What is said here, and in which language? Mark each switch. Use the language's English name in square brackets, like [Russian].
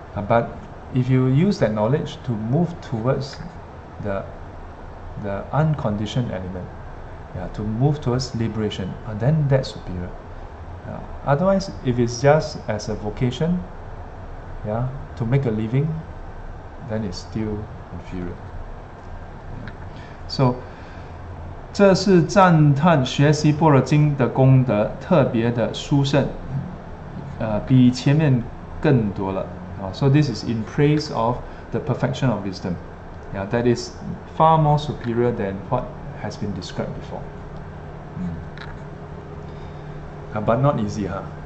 [English] But if you use that knowledge to move towards the unconditioned element, yeah, to move towards liberation, then that's superior. Yeah. Otherwise, if it's just as a vocation, yeah, to make a living, then it's still inferior. Yeah. [Chinese] So,这是赞叹学习般若经的功德特别的殊胜，比前面更多了。 [English] So this is in praise of the perfection of wisdom. Yeah, that is far more superior than what has been described before. But not easy, huh?